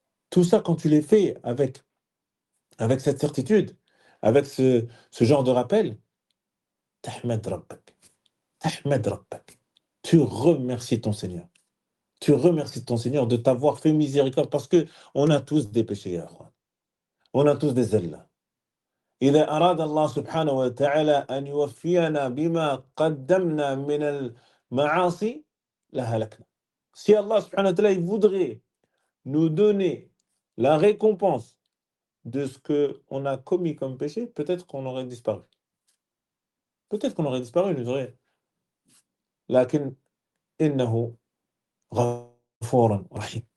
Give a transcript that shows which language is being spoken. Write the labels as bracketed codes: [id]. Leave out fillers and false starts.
[fr] Tout ça, quand tu les fais avec cette certitude, avec ce genre de rappel, [ar] tahmad rabbak. [fr] Tu remercies ton Seigneur. Tu remercies ton Seigneur de t'avoir fait miséricorde parce qu'on a tous des péchés. On a tous des zellas. [ar] إذا أراد الله سبحانه وتعالى أن يوفينا بما قدمنا من المعاصي لهلكنا. [fr] Si Allah [ar] سبحانه وتعالى [fr] voudrait nous donner la récompense de ce qu'on a commis comme péché, peut-être qu'on aurait disparu. Peut-être qu'on aurait disparu, nous aurions. [ar] لكن إنه غفور رحيم.